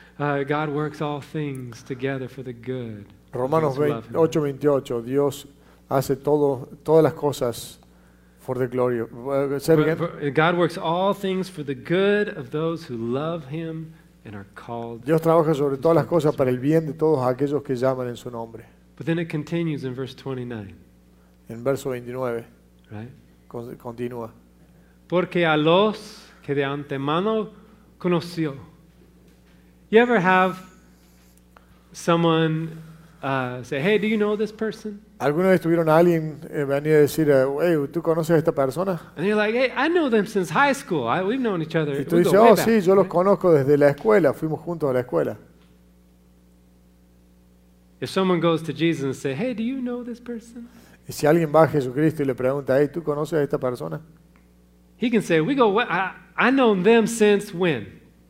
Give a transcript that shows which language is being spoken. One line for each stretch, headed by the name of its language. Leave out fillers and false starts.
English: God works all things together for the good.
Spanish: Romanos 8:28, Dios hace todas las cosas
English: for the glory. God works all things for the good of those who love him and are called.
Spanish: Dios trabaja sobre todas las cosas para el bien de todos aquellos que llaman en su nombre.
English: But then it continues in verse 29.
Spanish: En verso 29.
English: Right?
Spanish: Continúa. Porque a los que de antemano conoció.
English: You ever have someone say, hey, do you know this person?
Spanish: ¿Alguna vez tuvieron a alguien venir a decir, hey, ¿tú conoces a esta persona?
English: And you're like, hey, I know them since high school. We've known each other.
Spanish: Y tú dices, oh, sí, yo los conozco desde la escuela. Fuimos juntos a la escuela.
English: If someone goes to Jesus and says, hey, do you know this person?
Spanish: Y si alguien va a Jesucristo y le pregunta, hey, ¿tú conoces a esta persona?
English: He can say, we go, well, I know them since when?